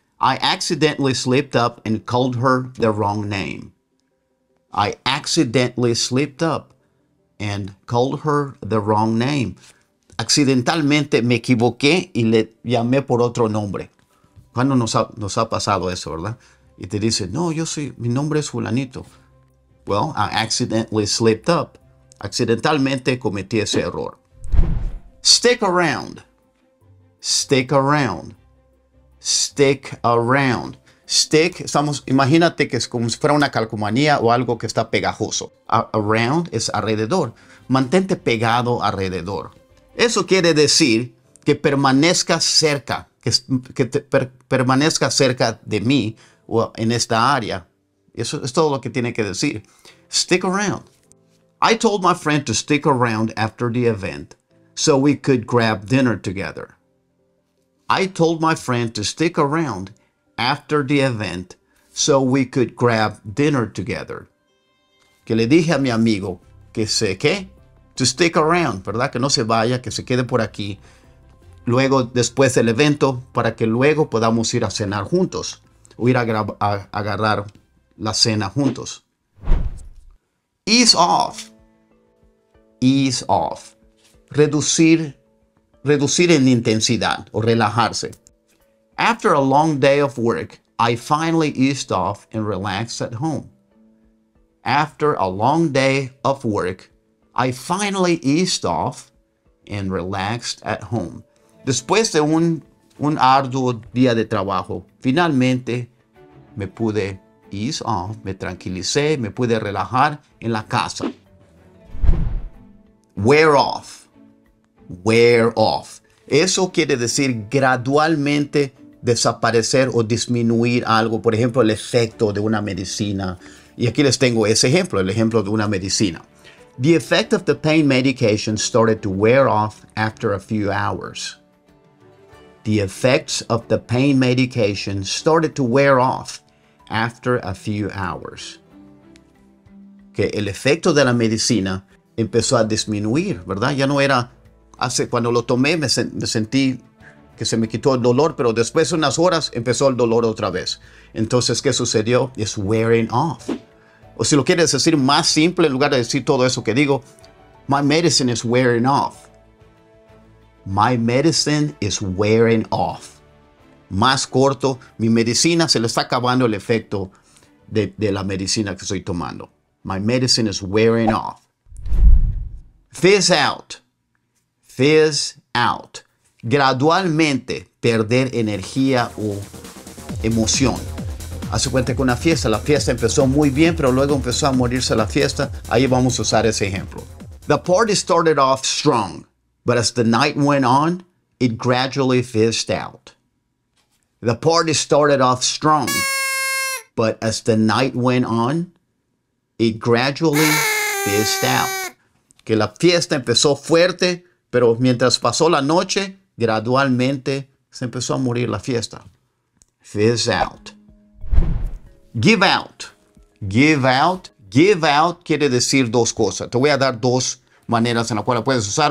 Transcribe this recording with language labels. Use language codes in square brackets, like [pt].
[en] I accidentally slipped up and called her the wrong name. I accidentally slipped up and called her the wrong name. [es] Accidentalmente me equivoqué y le llamé por otro nombre. ¿Cuándo nos ha pasado eso, verdad? Y te dice, no, yo soy, mi nombre es Fulanito. [en] Well, I accidentally slipped up. [es] Accidentalmente cometí ese error. [en] Stick around. Stick around. Stick around. [es] Stick, imagínate que es como si fuera una calcomanía o algo que está pegajoso. Around es alrededor. Mantente pegado alrededor. Eso quiere decir que permanezca cerca, permanezca cerca de mí o en esta área. Eso es todo lo que tiene que decir. [en] Stick around. I told my friend to stick around after the event so we could grab dinner together. I told my friend to stick around after the event so we could grab dinner together. [es] Que le dije a mi amigo que se qué? [en] To stick around, [es] ¿verdad? Que no se vaya, que se quede por aquí. Luego, después del evento, para que luego podamos ir a cenar juntos. O ir a agarrar la cena juntos. Ease off. Ease off. Reducir en intensidad o relajarse. [en] After a long day of work, I finally eased off and relaxed at home. After a long day of work, I finally eased off and relaxed at home. [es] Después de un arduo día de trabajo, finalmente me pude ease off, me tranquilicé, me pude relajar en la casa. Wear off. Wear off. Eso quiere decir gradualmente desaparecer o disminuir algo. Por ejemplo, el efecto de una medicina. Y aquí les tengo ese ejemplo, el ejemplo de una medicina. [en] The effect of the pain medication started to wear off after a few hours. The effects of the pain medication started to wear off after a few hours. [es] Que el efecto de la medicina empezó a disminuir, ¿verdad? Ya no era... Hace cuando lo tomé, me sentí que se me quitó el dolor, pero después de unas horas empezó el dolor otra vez. Entonces, ¿qué sucedió? [en] It's wearing off. [es] O si lo quieres decir más simple, en lugar de decir todo eso que digo, [en] my medicine is wearing off. My medicine is wearing off. [es] Más corto, mi medicina se le está acabando el efecto de la medicina que estoy tomando. [en] My medicine is wearing off. Fizz out. [es] Fizz out. Gradualmente perder energía o emoción. Hace cuenta que una fiesta, la fiesta empezó muy bien, pero luego empezó a morirse la fiesta. Ahí vamos a usar ese ejemplo. [en] The party started off strong, but as the night went on, it gradually fizzed out. The party started off strong, but as the night went on, it gradually fizzed out. [es] Que la fiesta empezó fuerte, pero mientras pasó la noche, gradualmente se empezó a morir la fiesta. [en] Fizz out. Give out. Give out. [es] Give out quiere decir dos cosas. Te voy a dar dos maneras en las cuales puedes usar.